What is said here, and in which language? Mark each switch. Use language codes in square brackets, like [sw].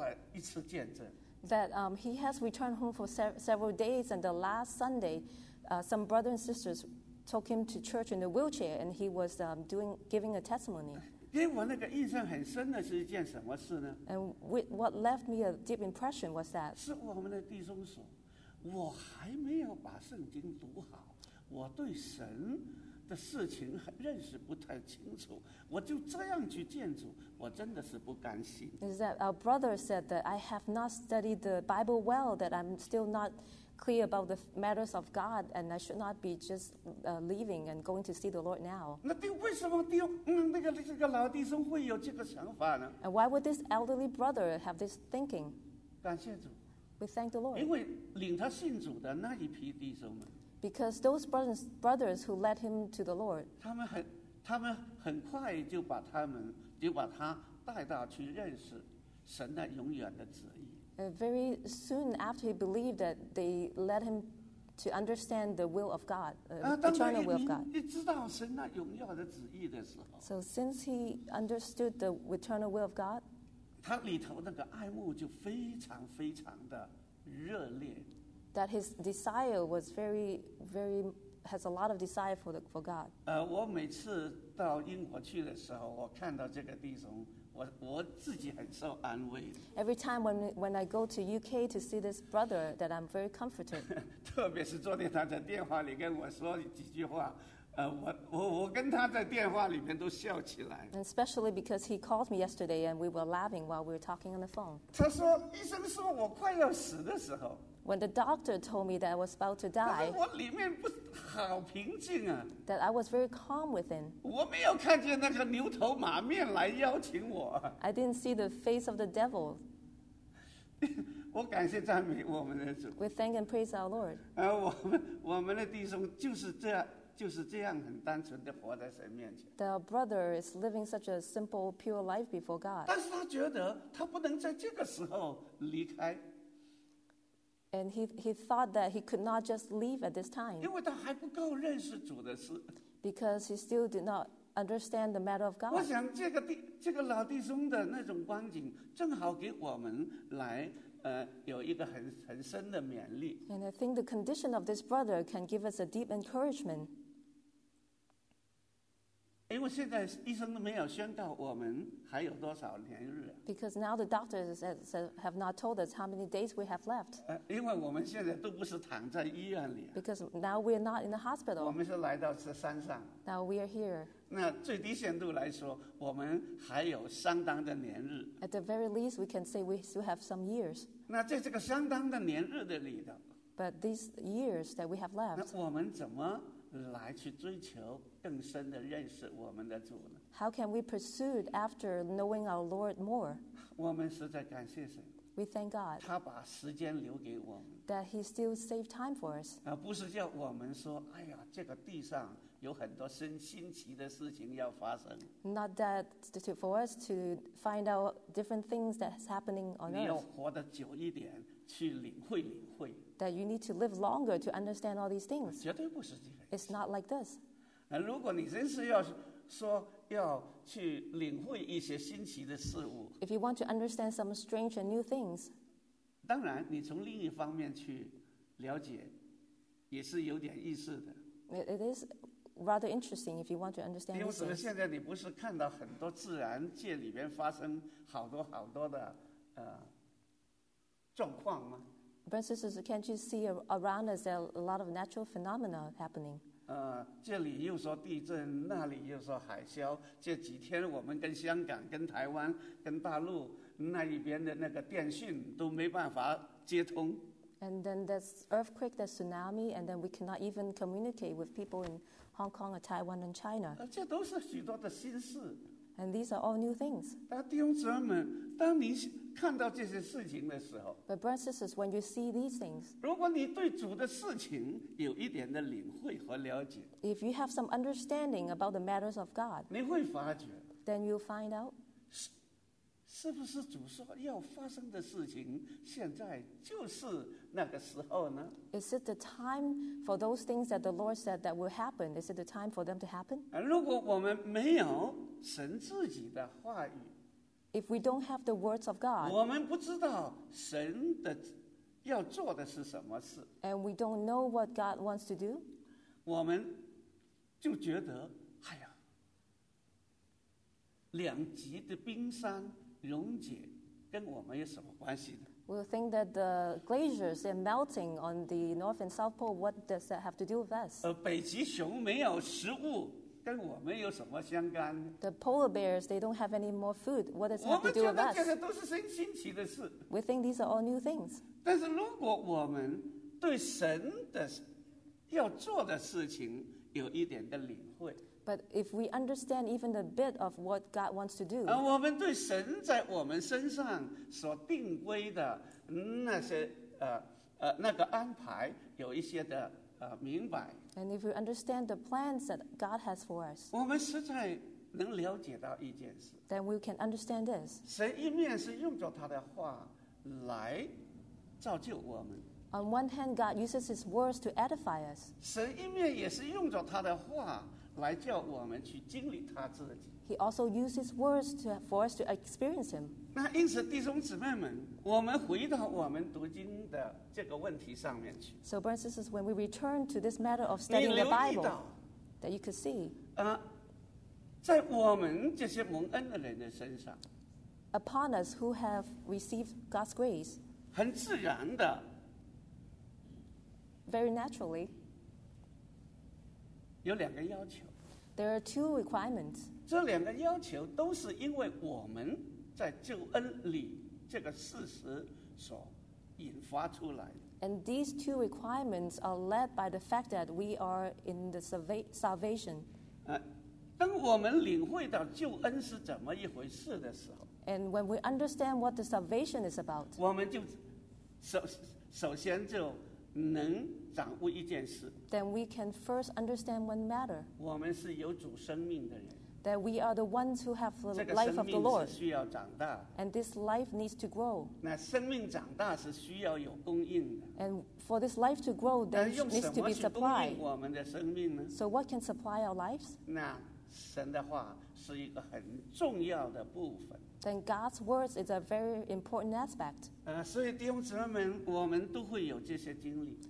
[en] He has returned home for several days, and the last Sunday, some brothers and sisters took him to church in a wheelchair, and he was giving a testimony. [zh] 给我那个印象很深的是一件什么事呢？ [en] And what left me a deep impression was that [zh] 是我们的弟兄说，我还没有把圣经读好，我对神的事情认识不太清楚，我就这样去见主，我真的是不甘心。 [en] Is that our brother said that I have not studied the Bible well, that I'm still not clear about the matters of God, and I should not be just leaving and going to see the Lord now. [zh] 那弟为什么弟那个老弟兄会有这个想法呢？ [en] And why would this elderly brother have this thinking? [zh] 感谢主。 [en] We thank the Lord. [zh] 因为领他信主的那一批弟兄们。 [en] Because those brothers who led him to the Lord, [zh] 他们很快就把他们就把他带到去认识神的永远的旨意。 [en] Very soon after he believed that, they led him to understand the will of God, eternal will of God. [zh] 你知道神那永远的旨意的时候。 [en] So since he understood the eternal will of God, [zh] 他里头那个爱慕就非常非常的热烈。 [en] That his desire was very, very, has a lot of desire for God. [zh] 我每次到英国去的时候，我看到这个弟兄，我自己很受安慰。 [en] Every time when I go to UK to see this brother, that I'm very comforted. [zh] 特别是昨天他在电话里跟我说几句话，我跟他在电话里面都笑起来。 [en] And especially because he called me yesterday and we were laughing while we were talking on the phone. [zh] 他说，医生说我快要死的时候。 [en] When the doctor told me that I was about to die, [zh] 我里面不好平静啊。 [en] That I was very calm within. [zh] 我没有看见那个牛头马面来邀请我。 [en] I didn't see the face of the devil. [zh] 我感谢赞美我们的主。 [en] We thank and praise our Lord. [zh] 我们的弟兄就是这样很单纯的活在神面前。 [en] The brother is living such a simple, pure life before God. [zh] 但是他觉得他不能在这个时候离开。 [en] And he thought that he could not just leave at this time. Because he still did not understand the matter of God. [zh] 我想这个老弟兄的那种光景正好给我们来有一个很深的勉励。 [en] And I think the condition of this brother can give us a deep encouragement. [zh] 因为现在医生没有宣告我们还有多少年日。 [en] Because now the doctors have not told us how many days we have left. [zh] 因为我们现在都不是躺在医院里。 [en] Because now we are not in the hospital. [zh] 我们是来到这山上。 [en] Now we are here. [zh] 那最低限度来说，我们还有相当的年日。 [en] At the very least, we can say we still have some years. [zh] 那在这个相当的年日的里头。 [en] But these years that we have left. [zh] 那我们怎么来去追求更深的认识我们的主呢？ [en] How can we pursue after knowing our Lord more? [zh] 我们实在感谢神。 [en] We thank God. [zh] 他把时间留给我们。 [en] That he still saved time for us. [zh] 不是叫我们说，哎呀，这个地上有很多新奇的事情要发生。 [en] Not that for us to find out different things that's happening on earth. [zh] 你要活得久一点，去领会。 [en] That you need to live longer to understand all these things. [zh] 绝对不是这个。 [en] It's not like this. [zh] 如果你真是要说要去领会一些新奇的事物， [en] If you want to understand some strange and new things, [zh] 当然你从另一方面去了解也是有点意思的。 [en] It is rather interesting if you want to understand this. [zh] 因为现在你不是看到很多自然界里面发生好多好多的状况吗？ [en] Brothers and sisters, can't you see around us there are a lot of natural phenomena happening? [zh] 这里又说地震，那里又说海啸。这几天我们跟香港、跟台湾、跟大陆那一边的那个电讯都没办法接通。 [en] And then there's earthquake, there's tsunami, and then we cannot even communicate with people in Hong Kong or Taiwan and China. [zh] 这都是许多的新事。 [en] And these are all new things. [zh] 弟兄姊妹们，当你看到这些事情的时候， [en] But brothers and sisters, when you see these things, [zh] 如果你对主的事情有一点的领会和了解， [en] If you have some understanding about the matters of God, [zh] 你会发觉， [en] Then you'll find out, [zh] 是不是主说要发生的事情，现在就是那个时候呢？ [en] Is it the time for those things that the Lord said that will happen? Is it the time for them to happen? [zh] 如果我们没有神自己的话语， [en] If we don't have the words of God, [zh] 我们不知道神的要做的是什么事， [en] And we don't know what God wants to do, [zh] 我们就觉得，哎呀，两极的冰山溶解跟我们有什么关系呢？ [en] We'll think that the glaciers are melting on the North and South Pole, what does that have to do with us? [zh] 北极熊没有食物跟我们有什么相干？ [en] The polar bears, they don't have any more food. What does it have to do with us? [zh] 我们觉得这个都是新新奇的事。 [en] We think these are all new things. [zh] 但是如果我们对神的要做的事情有一点的领会， [en] But if we understand even a bit of what God wants to do, [zh] 我们对神在我们身上所定规的那些那个安排有一些的明白。 [en] And if we understand the plans that God has for us, [zh] 我们实在能了解到一件事， [en] then we can understand this. [zh] 神一面是用着他的话来造就我们， [en] On one hand, God uses his words to edify us. [zh] 神一面也是用着他的话来叫我们去经历他自己， [en] He also uses words for us to experience him. [zh] 那因此弟兄姊妹们，我们回到我们读经的这个问题上面去。 [en] So brothers and sisters, when we return to this matter of studying the Bible, that you could see, [zh] 在我们这些蒙恩的人的身上， [en] upon us who have received God's grace, [zh] 很自然的， [en] very naturally, [zh] 有两个要求。 [en] There are two requirements. [zh] 这两个要求都是因为我们在救恩里这个事实所引发出来的。 [en] And these two requirements are led by the fact that we are in the salvation. [zh] 当我们领会到救恩是怎么一回事的时候， [en] And when we understand what the salvation is about, [zh] 我们就首先就能掌握一件事。 [en] Then we can first understand one matter. [zh] 我们是有主生命的人。 [en] That we are the ones who have the life of the Lord. [zh] 这个生命是需要长大。 [en] And this life needs to grow. [zh] 那生命长大是需要有供应的。 [en] And for this life to grow, there needs to be supply. [zh] 那用什么去供应我们的生命呢？ [en] So what can supply our lives? [zh] 那神的话是一个很重要的部分。 [en] Then God's words is a very important aspect. [zh] 所以弟兄姊妹们，我们都会有这些经历。